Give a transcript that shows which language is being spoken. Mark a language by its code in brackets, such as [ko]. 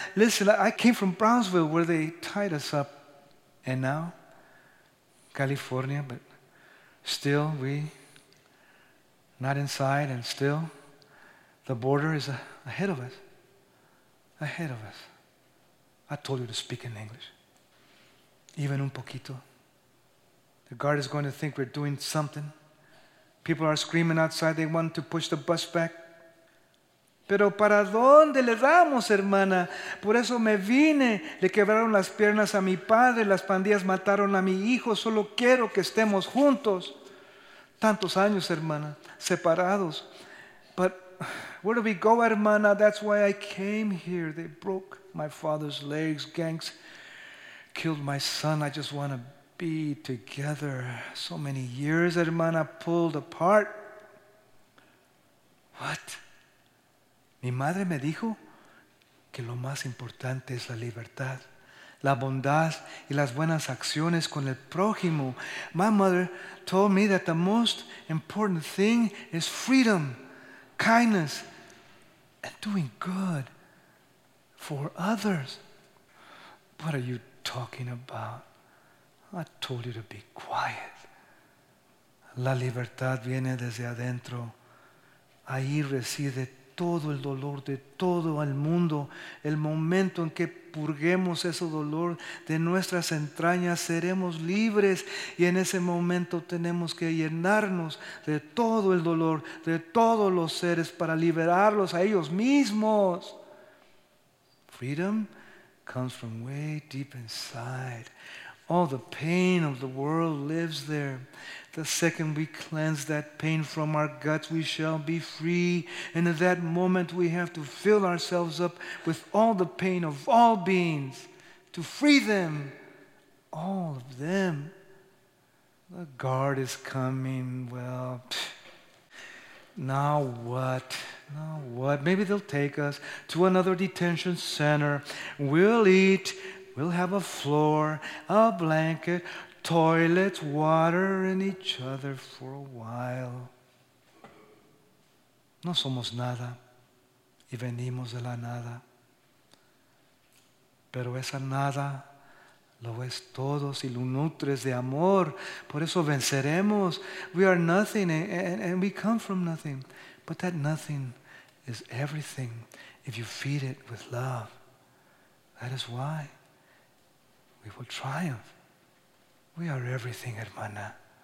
[en] Listen, I came from Brownsville where they tied us up. And now, California, but still we not inside, and still the border is ahead of us. Ahead of us. I told you to speak in English. Even [es] un poquito. [en] The guard is going to think we're doing something. People are screaming outside. They want to push the bus back. [es] Pero para dónde le damos, hermana? Por eso me vine. Le quebraron las piernas a mi padre. Las pandillas mataron a mi hijo. Solo quiero que estemos juntos. Tantos años, hermana, separados. [en] But where do we go, hermana? That's why I came here. They broke my father's legs. Gangs killed my son. I just want to be together. So many years, hermana, pulled apart. What? [es] Mi madre me dijo que lo más importante es la libertad, la bondad y las buenas acciones con el prójimo. [en] My mother told me that the most important thing is freedom, kindness, and doing good for others. What are you talking about? I told you to be quiet. [es] La libertad viene desde adentro. Ahí reside todo el dolor de todo el mundo. El momento en que purguemos ese dolor de nuestras entrañas, seremos libres, y en ese momento tenemos que llenarnos de todo el dolor de todos los seres para liberarlos a ellos mismos. [en] Freedom comes from way deep inside. All the pain of the world lives there. The second we cleanse that pain from our guts, we shall be free. And at that moment, we have to fill ourselves up with all the pain of all beings to free them, all of them. The guard is coming. Well, now what? Now what? Maybe they'll take us to another detention center. We'll eat. We'll have a floor, a blanket, toilets, water, and each other for a while. [es] No somos nada y venimos de la nada. Pero esa nada lo es todo si lo nutres de amor. Por eso venceremos. [en] We are nothing and we come from nothing. But that nothing is everything if you feed it with love. That is why we will triumph. We are everything, hermana.